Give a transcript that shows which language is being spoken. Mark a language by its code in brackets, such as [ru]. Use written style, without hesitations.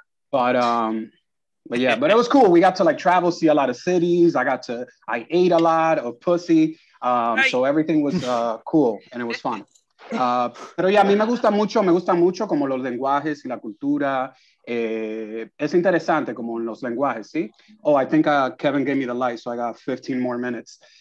[en] But it was cool. We got to like travel, see a lot of cities. I ate a lot of pussy. So everything was cool and it was fun. [es] Pero yeah, a mí me gusta mucho como los lenguajes y la cultura. Es interesante como en los lenguajes, ¿sí? [en] Oh, I think Kevin gave me the light, so I got 15 more minutes.